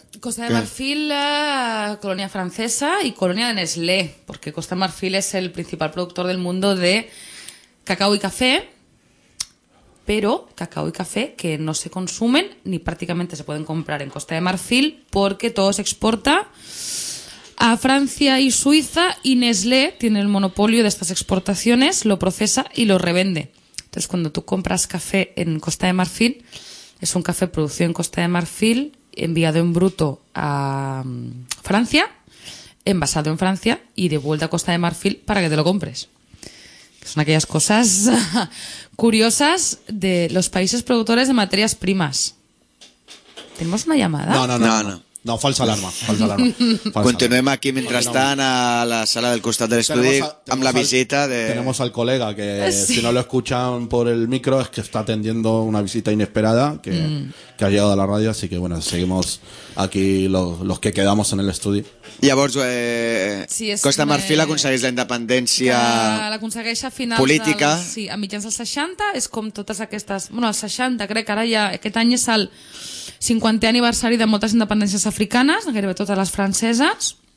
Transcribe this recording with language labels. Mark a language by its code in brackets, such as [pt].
[ca] Costa de Marfil, colònia francesa i colònia de Nestlé, perquè Costa de Marfil és el principal productor del món de cacau i cafè, però cacau i cafè que no se consumen ni pràcticament se poden comprar en Costa de Marfil perquè tot s'exporta a França i Suïssa i Nestlé [es] tiene el monopolio de estas exportaciones, lo procesa y lo revende. Entonces, cuando tú compras café en Costa de Marfil, es un café producido en Costa de Marfil, enviado en bruto a Francia, envasado en Francia y de vuelta a Costa de Marfil para que te lo compres. Son aquellas cosas curiosas de los países productores de materias primas. ¿Tenemos una llamada? No, falsa alarma. [ca] Continuem aquí mentrestant a la sala del costat de l'estudi amb la visita de... [es] Tenemos al colega que sí. Si no lo escuchan por el micro es que está atendiendo una visita inesperada que ha llegado a la ràdio, así que bueno, seguimos aquí los que quedamos en el estudi. [ca] Llavors, Costa Marfil aconsegueix la independència política. Sí, a mitjans dels 60, és com totes aquestes... Bueno, els 60, crec que ara ja aquest any és el 50è aniversari de moltes independències africanes, gairebé totes les franceses.